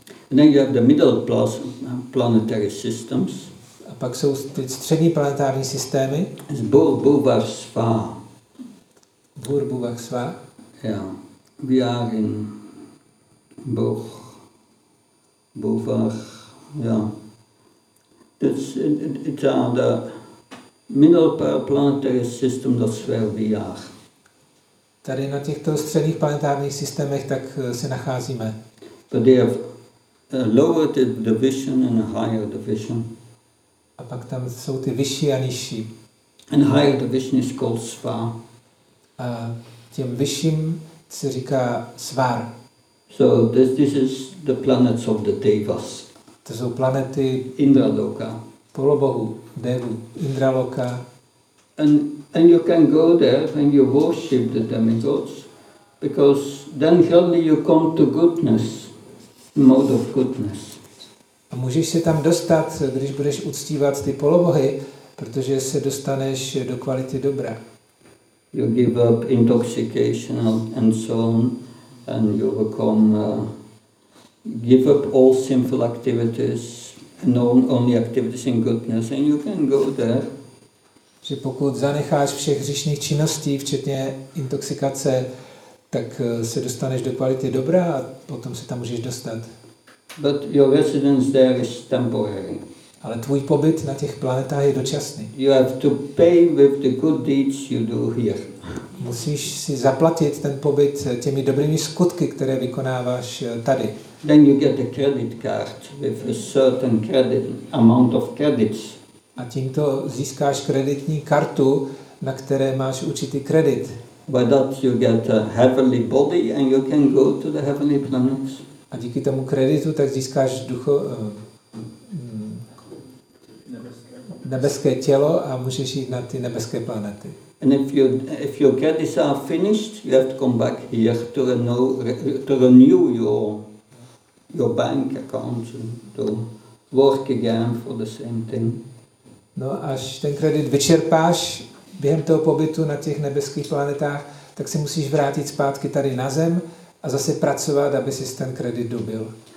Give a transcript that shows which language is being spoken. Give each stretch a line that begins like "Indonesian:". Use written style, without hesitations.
English: And then you have the middle planetary systems.
Czech: A pak jsou ty střední planetární systémy.
English: It's Bhur-Bhuvah Sva. Bhur-Bhuvah Sva. Yeah. We are in Bhur-Bhuvah. Yeah. It's on the middle planetary system, that's where we are.
Czech: Tady na těchto středních planetárních systémech tak se nacházíme.
English: But they have a lower division and a higher division.
Czech: A pak tam jsou ty vyšší a nižší.
English: And higher division is called Svar.
Czech: A těm vyšším se říká Svar.
English: So this is the planets of the Devas.
Czech: To jsou planety Indraloka. Polobohu, Devu, Indraloka.
English: And you can go there and you worship the demigods, because then only you come to goodness, mode of goodness.
Czech: A můžeš se tam dostat, když budeš uctívat ty polobohy, protože se dostaneš do kvality dobra.
English: You give up intoxication and so on, and you become give up all sinful activities, and only activities in goodness, and you can go there.
Czech: Že pokud zanecháš všech hříšných činností, včetně intoxikace, tak se dostaneš do kvality dobra a potom se tam můžeš dostat.
English: But your residence there is temporary.
Czech: Ale tvůj pobyt na těch planetách je dočasný.
English: You have to pay with the good deeds you do here.
Czech: Musíš si zaplatit ten pobyt těmi dobrými skutky, které vykonáváš tady.
English: Then you get a credit card with a certain credit amount of credits.
Czech: A tímto získáš kreditní kartu, na které máš určitý kredit.
English: By that you get a heavenly body and you can go to the heavenly planets.
Czech: A díky tomu kreditu tak získáš nebeské tělo a můžeš jít na ty nebeské planety.
English: And if your credits are finished, you have to come back here to renew your bank account and to work again for the same thing.
Czech: No, až ten kredit vyčerpáš během toho pobytu na těch nebeských planetách, tak si musíš vrátit zpátky tady na Zem a zase pracovat, aby si ten kredit dobil.